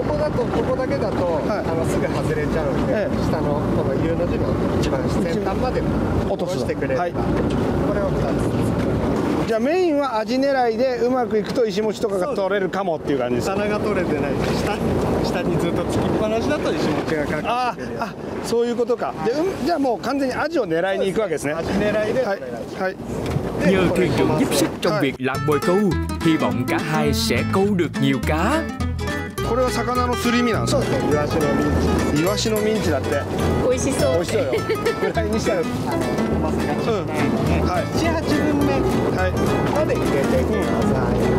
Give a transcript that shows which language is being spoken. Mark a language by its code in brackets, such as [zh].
[ja] ここだけだと、はい、すぐ外れちゃうんで、ええ、下のこの U の字の一番先端まで落としてくれれば、はい、これを2つ。じゃあメインはアジ狙いで、うまくいくと石持ちとかが取れるかもっていう感じですか。棚が取れてない、下にずっとつきっぱなしだと石持ちがかかってる。そういうことか。で、じゃあもう完全にアジを狙いに行くわけですね。アジ狙いで、はい、はい。 [vi] Nhờ thuyền trưởng giúp sức trong việc làm bồi câu, hy vọng cả hai sẽ câu được nhiều cá. [ja] これは魚のすり身なんですか。そうですね、イワシのミンチだって。美味しそう。美味しそうよ。フライにしたよ。まさかしないので、7、8分目まで入れてください。